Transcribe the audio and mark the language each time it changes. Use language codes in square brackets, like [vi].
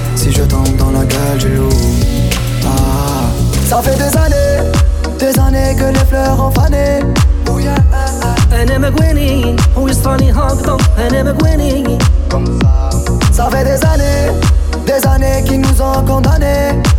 [fr] Si je tombe dans la gueule du loup. Ah. Ça fait des années que les fleurs ont fané. Oh yeah. [en] And I'm a winning. Oh, it's funny how it goes. And I'm a winning. [fr] Ça fait des années qu'ils nous ont condamnés.